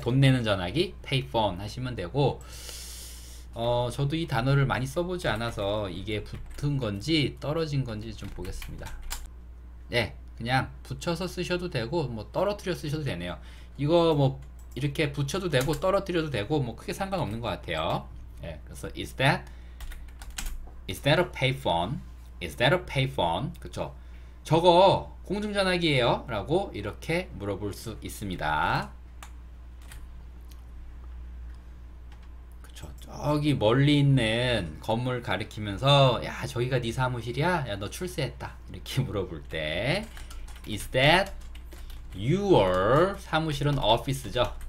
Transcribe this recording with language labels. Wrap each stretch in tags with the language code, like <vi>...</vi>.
<ko>돈 내는 전화기 페이폰 하시면 되고 저도 이 단어를 많이 써보지 않아서 이게 붙은 건지 떨어진 건지 좀 보겠습니다. 예, 그냥 붙여서 쓰셔도 되고 뭐 떨어뜨려 쓰셔도 되네요. 이거 뭐 이렇게 붙여도 되고 떨어뜨려도 되고 뭐 크게 상관없는 것 같아요. 예, 그래서</ko> <en>is that a payphone? Is that a payphone?</en> <ko>그쵸. 저거 공중전화기예요? 라고 이렇게 물어볼 수 있습니다. 그쵸. 저기 멀리 있는 건물 가리키면서 야 저기가 네 사무실이야? 야 너 출세했다. 이렇게 물어볼 때</ko> <en>Is that your</en> <ko>사무실은 office죠?</ko>